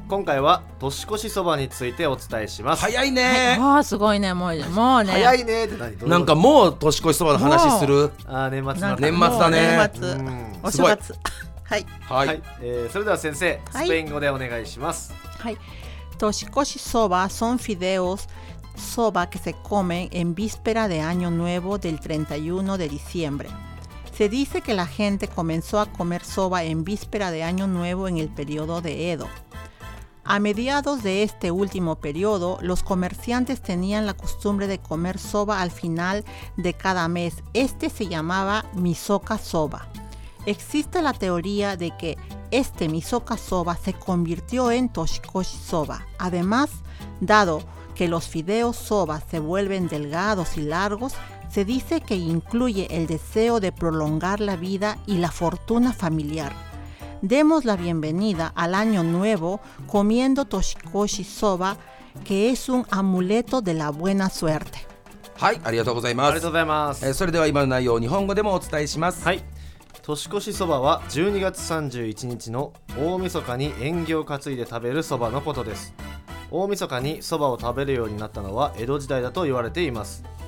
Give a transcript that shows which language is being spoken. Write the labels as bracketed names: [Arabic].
[Japanese] 今回は年越しそばについてお伝えします。早いね、はい、あすごいね、もうね早いねって何、なんかもう年越しそばの話する。あ、年末だ、年末だね、年末、お正月。はい、はいはい、それでは先生、スペイン語でお願いします。 [Spanish] はい、年越しそば son fideos soba que se comen en víspera de año nuevo del 31 de diciembre. Se dice que la gente comenzó a comer soba en víspera de año nuevo en el periodo de Edo. A mediados de este último periodo, los comerciantes tenían la costumbre de comer soba al final de cada mes. Este se llamaba misoka soba. Existe la teoría de que este misoka soba se convirtió en toshikoshi soba. Además, dado que los fideos soba se vuelven delgados y largos, se dice que incluye el deseo de prolongar la vida y la fortuna familiar. Demos la bienvenida al año nuevo comiendo toshikoshi soba, que es un amuleto de la buena suerte. [Japanese] はい、ありがとうございます。ありがとうございます。それでは今の内容を日本語でもお伝えします。はい。年越しそばは12月31日の大晦日に縁起を担いで食べるそばのことです。大晦日にそばを食べるようになったのは江戸時代だと言われています。